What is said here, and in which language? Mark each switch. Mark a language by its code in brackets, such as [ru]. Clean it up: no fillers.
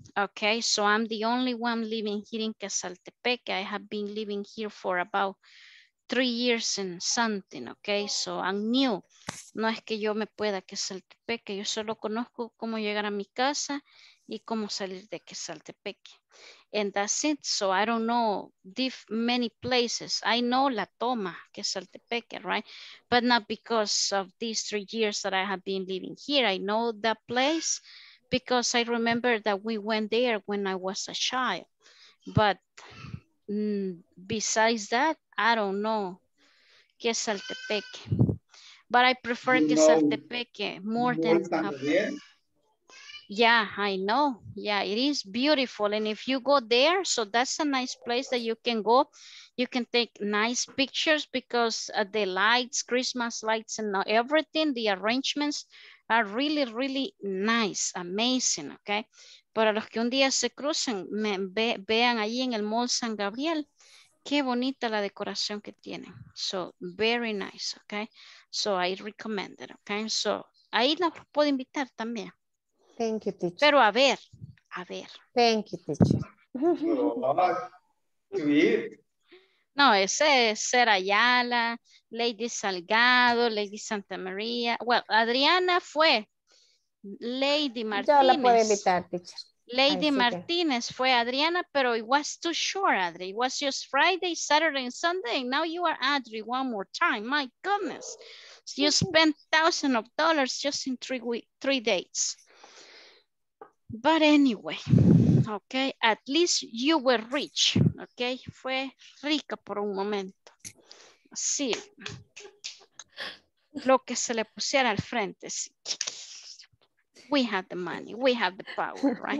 [en] Okay, so I'm the only one living here in Quetzaltepec. I have been living here for about 3 years and something. Okay, so I'm new. [es] No es que yo me pueda Quetzaltepec. Yo solo conozco cómo llegar a mi casa y cómo salir de Quetzaltepec. [en] And that's it. So I don't know many places. I know La Toma, Quetzaltepec, right? But not because of these 3 years that I have been living here. I know that place because I remember that we went there when I was a child. But besides that, I don't know Quetzaltepec. But I prefer Quetzaltepec more than... Yeah, I know. Yeah, it is beautiful. And if you go there, so that's a nice place that you can go. You can take nice pictures because the lights, Christmas lights and everything, the arrangements are really, really nice, amazing, okay? [es] Para los que un día se crucen, vean allí en el Mall San Gabriel, qué bonita la decoración que tienen. [en] So, very nice, okay? So, I recommend it, okay? [es] So, ahí la puedo invitar también. [en] Thank you, teacher. [es] Pero a ver. [en] Thank you, teacher. [es] No, ese es Ser Ayala, Lady Salgado, Lady Santa María. Well, Adriana fue, Lady Martinez. Yo la puedo invitar, teacher. [en] Lady Martinez [es] fue Adriana, pero [en] it was too short, Adri. It was just Friday, Saturday, and Sunday. Now you are Adri one more time. My goodness. So you spent thousands of dollars just in three dates. But anyway, okay, at least you were rich, okay? [es] Fue rica por un momento. Sí. Lo que se le pusiera al frente, sí. [en] We have the money, we have the power, right?